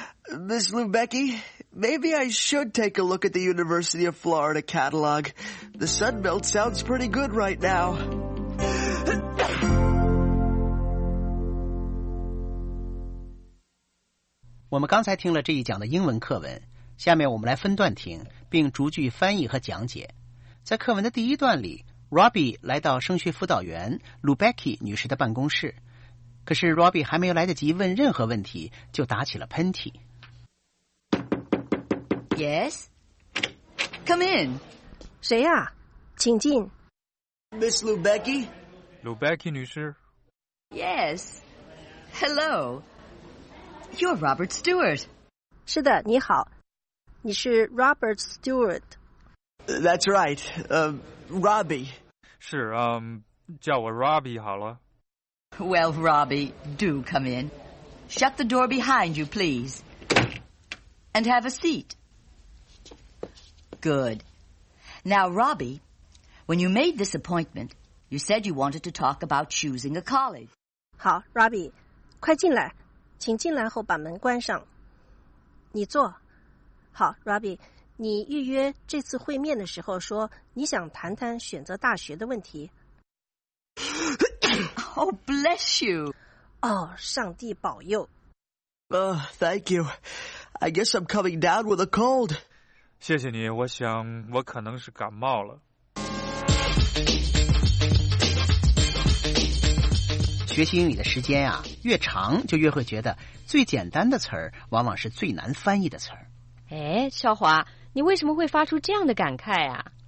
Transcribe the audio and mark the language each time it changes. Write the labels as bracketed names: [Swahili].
[English] Miss Lubecki, maybe I should take a look at the University of Florida catalog. The Sun Belt sounds pretty good right now. We just listened to this English lesson. Next, let's listen to the whole thing, and translate and explain. In the first part of the lesson, [Chinese] Robbie 来到升学辅导员 Lubecki 女士的办公室，可是 Robbie 还没有来得及问任何问题，就打起了喷嚏。 [English] Yes? Come in. [Chinese] 谁啊？请进。 [English] Miss Lubecki? [Chinese] Lubecki 女士。 [English] Yes. Hello. You're Robert Stewart. [Chinese] 是的，你好。你是 Robert Stewart。 [English] That's right. Robbie. [Chinese] 是，叫我 Robbie 好了。 [English] Well, Robbie, do come in. Shut the door behind you, please. And have a seat. Good. Now, Robbie, when you made this appointment, you said you wanted to talk about choosing a college. [Chinese] 好 ,Robbie, 快进来。请进来后把门关上。你坐。好 ,Robbie,你预约这次会面的时候说你想谈谈选择大学的问题。 [English] Oh, bless you. [Chinese] 哦，上帝保佑。 [English] Thank you. I guess I'm coming down with a cold. [Chinese] 谢谢你，我想我可能是感冒了。学习英语的时间啊，越长就越会觉得最简单的词儿往往是最难翻译的词儿。哎，少华，你为什么会发出这样的感慨啊？